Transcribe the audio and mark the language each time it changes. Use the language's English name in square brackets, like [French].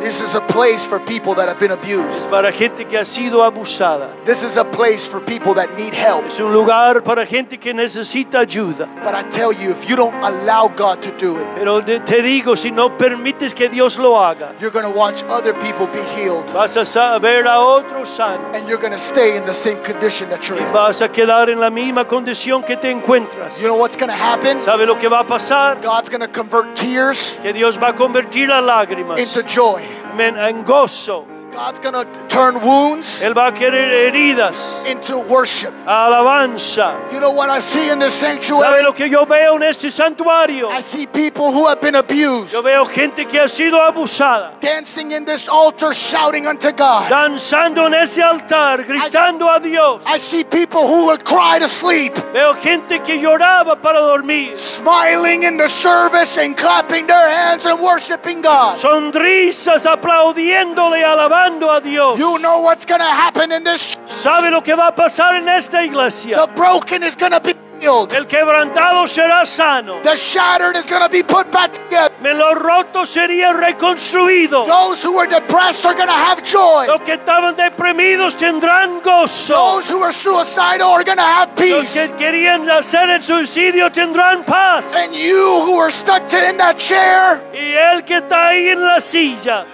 [English] This is a place for people that have been abused. [Spanish] Es para gente que ha sido abusada. [English] This is a place for people that need help. [Spanish] Es un lugar para gente que necesita ayuda. [English] But I tell you, if you don't allow God to do it, [Spanish] pero te digo, si no permites que Dios lo haga, [English] you're going to watch other people be healed. [Spanish] Vas a ver a otros sanos. [English] And you're going to stay in the same condition that you're in. [Spanish] Y vas a quedar en la misma condición que te encuentras. [English] You know what's going to happen? [Spanish] ¿Sabe lo que va a pasar? [English] God's going to convert tears. [Spanish] Que Dios va a convertir las lágrimas [English] into joy. [Spanish] Men, en gozo. [English] God's going to turn wounds. [Spanish] Él va a querer heridas [English] into worship. [Spanish] Alabanza. [English] You know what I see in this sanctuary? [Spanish] ¿Sabe lo que yo veo en este santuario? [English] I see people who have been abused. [Spanish] Yo veo gente que ha sido abusada. [English] Dancing in this altar, shouting unto God. [Spanish] Danzando en ese altar, gritando a Dios. [English] I see people who would cry to sleep. [Spanish] Veo gente que lloraba para dormir. [English] Smiling in the service and clapping their hands and worshiping God. [Spanish] Sonrisas aplaudiéndole a la. [English] You know what's going to happen in this. [Spanish] ¿Sabe lo que va a pasar en esta iglesia? [English] The broken is going to be healed. [Spanish] El quebrantado será sano. [English] The shattered is going to be put back together. [Spanish] Me lo roto sería reconstruido. [English] Those who are depressed are going to have joy. [Spanish] Los que estaban deprimidos tendrán gozo. [English] Those who are suicidal are going to have peace. [Spanish] Los que querían hacer el suicidio tendrán paz. [English] And you who are stuck in that chair. [Spanish] Y el que está ahí en la silla.